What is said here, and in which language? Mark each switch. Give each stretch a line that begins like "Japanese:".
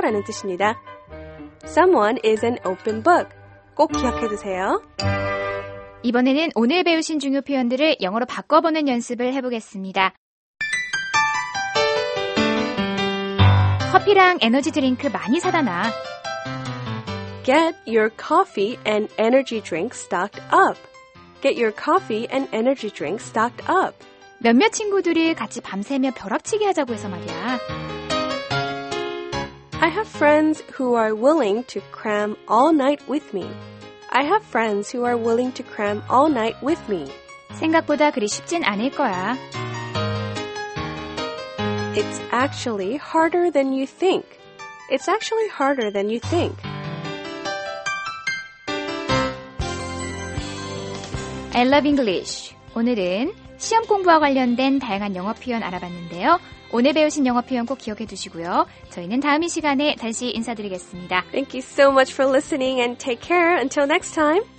Korean: 라는 뜻입니다.
English: Someone is an open book.
Korean: 꼭 기억해 두세요. 이번에는 오늘 배우신 중요 표현들을 영어로 바꿔보는 연습을 해보겠습니다. 커피랑 에너지 드링크 많이 사다 놔.
English: Get your coffee and energy drink stocked up. Get your coffee and energy drink stocked up.
Korean: 몇몇 친구들이 같이 밤새며 벼락치기 하자고 해서 말이야.
English: I have friends who are willing to cram all night with me. I have friends who are willing to cram all night with me.
Korean: 생각보다 그리 쉽진 않을 거야.
English: It's actually harder than you think. It's actually harder than you think.
Korean: 'I love English' 오늘은 시험 공부와 관련된 다양한 영어 표현 알아봤는데요. 오늘 배우신 영어 표현 꼭 기억해 두시고요. 저희는 다음 이 시간에 다시 인사드리겠습니다.
English: Thank you so much for listening and take care. Until next time.